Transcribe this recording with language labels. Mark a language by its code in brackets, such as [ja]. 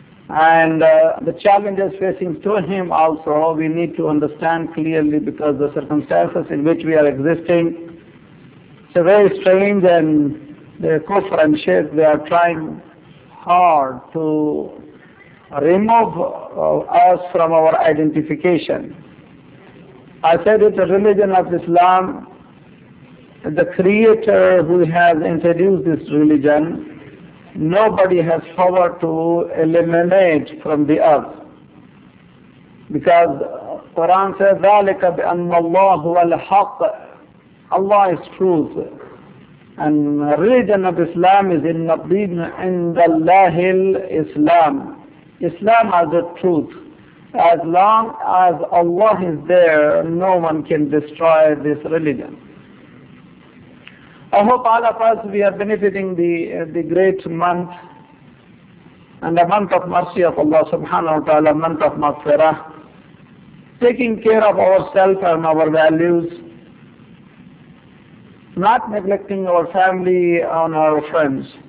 [en] And the challenges facing to him also, we need to understand clearly, because the circumstances in which we are existing, it's a very strange, and the kufr and shirk, they are trying hard to remove us from our identification. I said it's a religion of Islam. The Creator who has introduced this religion, nobody has power to eliminate from the earth. Because Quran says, [ar] ذَلِكَ بِأَنَّ اللَّهُ وَالْحَقِّ. [en] Allah is truth. And religion of Islam is [ar] إِنَّ الدِّينَ عِنْدَ اللَّهِ الْإِسْلَامِ. [en] Islam has the truth. As long as Allah is there, no one can destroy this religion. I hope all of us, we are benefiting the great month and the month of mercy of Allah subhanahu wa ta'ala, month of maghfirah, taking care of ourselves and our values, not neglecting our family and our friends.